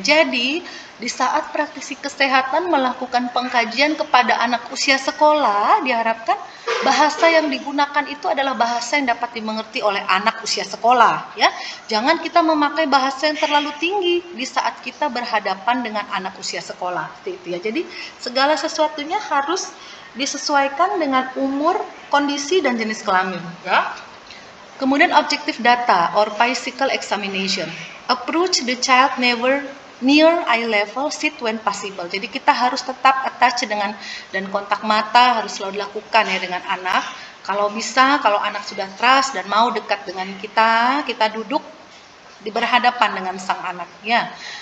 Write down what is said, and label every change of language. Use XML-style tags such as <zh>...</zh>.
<id>Jadi, di saat praktisi kesehatan melakukan pengkajian kepada anak usia sekolah, diharapkan bahasa yang digunakan itu adalah bahasa yang dapat dimengerti oleh anak usia sekolah. Ya, jangan kita memakai bahasa yang terlalu tinggi di saat kita berhadapan dengan anak usia sekolah. Itu ya. Jadi, segala sesuatunya harus disesuaikan dengan umur, kondisi, dan jenis kelamin. Ya. Kemudian</id> <en>objective data or physical examination. Approach the child never near eye level, sit when possible.</en> <id>Jadi kita harus tetap attach dengan dan kontak mata harus selalu dilakukan ya dengan anak. Kalau bisa, kalau anak sudah trust dan mau dekat dengan kita, kita duduk di berhadapan dengan sang anak ya.</id>